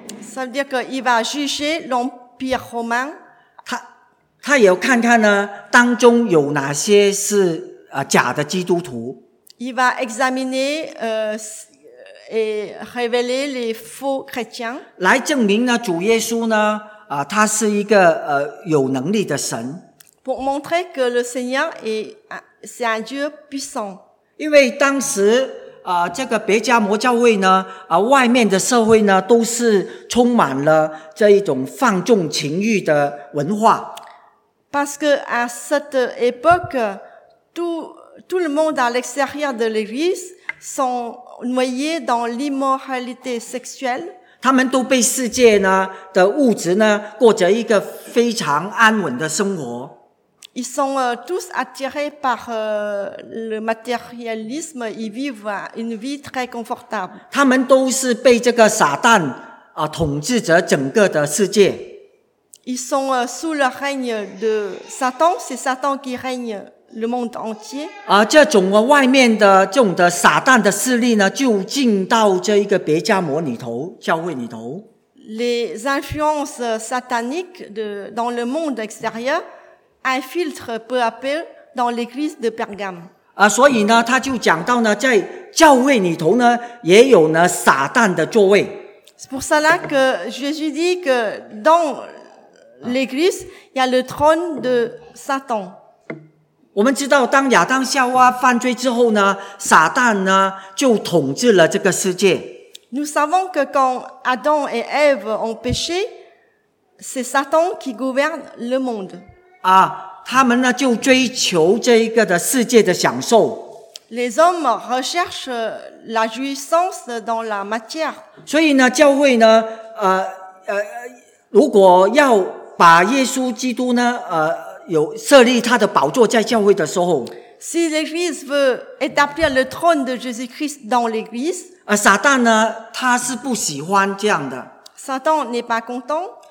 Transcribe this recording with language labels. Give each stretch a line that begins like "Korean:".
French: Ça veut dire qu'il va juger l'Empire romain.
Chinese: 他也要看看呢，当中有哪些是假的基督徒。
French: Il va examiner et révéler les faux chrétiens.
Chinese: 来证明呢，主耶稣呢，他是一个有能力的神。
French: Pour montrer que le Seigneur c'est un Dieu puissant.
Chinese: 因为当时这个别加摩教会呢，外面的社会呢，都是充满了这一种放纵情欲的文化。
French: Parce que à cette époque, tout le monde à l'extérieur de l'église sont noyés dans l'immoralité sexuelle.
Chinese: 他们都被世界呢的物质呢过着一个非常安稳的生活。
French: Ils sont tous attirés par le matérialisme. Ils vivent une vie très confortable.
Chinese: 他们都是被这个撒旦统治着整个的世界。
French: Ils sont sous le règne de Satan. C'est Satan qui règne le monde entier.
Chinese: 这种外面的这种的撒旦的势力呢，就进到这一个别加摩里头教会里头。
French: Les influences sataniques dans le monde extérieur infiltrent peu à peu dans l'église de Pergame.
Chinese: 所以呢，他就讲到呢，在教会里头呢，也有呢撒旦的座位。
French: C'est pour cela que Jésus dit que dans l'église, il y a le trône de Satan.
Chinese: 我们知道，当亚当夏娃犯罪之后呢，撒旦呢就统治了这个世界。
French: Nous savons que quand Adam et Ève ont péché, c'est Satan qui gouverne le monde.
Chinese: 他们呢就追求这一个的世界的享受。
French: Les hommes recherchent la jouissance dans la matière.
Chinese: 所以呢，教会呢，如果要把耶稣基督呢，有设立他的宝座在教会的时候
French: ，Si l'Église veut établir le trône de Jésus-Christ dans l'Église，
Chinese: 撒旦呢，他是不喜欢这样的。
French: Satan n'est pas content。